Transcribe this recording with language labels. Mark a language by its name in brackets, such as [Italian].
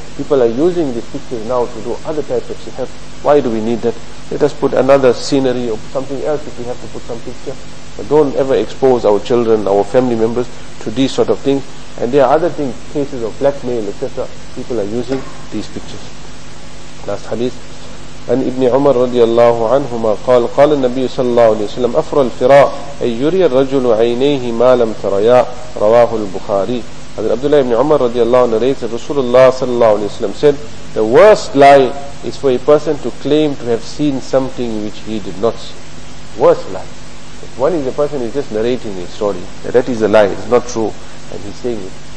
[English] People are using these pictures now to do other types of stuff. Why do we need that? Let us put another scenery or something else if we have to put some picture. But don't ever expose our children, our family members to these sort of things. And there are other things, cases of blackmail, etc. People are using these pictures. Last hadith. [Arabic] عن ابن عمر رضي الله عنهما قال قال النبي صلى الله عليه وسلم أفر الفراء أن يري الرجل عينيه ما لم تريا رواه البخاري. هذا عبد الله بن عمر رضي الله عنه رأيت رسول الله صلى الله عليه وسلم [English] said the worst lie is for a person to claim to have seen something which he did not see. Worst lie. One is a person is just narrating a story. That is a lie. It's not true. And he's saying it.